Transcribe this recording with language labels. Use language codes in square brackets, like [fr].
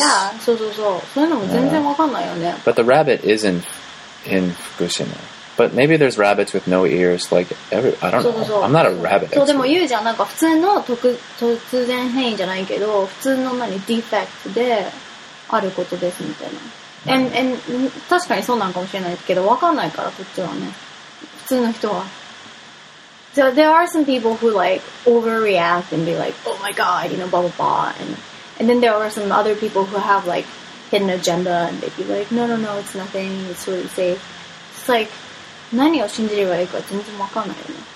[en] Yeah, so. But the rabbit is in Fukushima. But maybe there's rabbits with no ears, like, I don't know. I'm not a rabbit. So, but you say, like, it's not a sudden change, but it's a defect that has a defect. [ja] And 確かにそうなんかもしれないけど、わかんないから、こっちはね。普通の人は。 [en] So there are some people who like overreact and be like, oh my god, you know, blah blah blah. And then there are some other people who have like hidden agenda and they'd be like, no, no, no, it's nothing, it's really safe. It's like, [ja] 何を信じればいいか全然わかんないよね。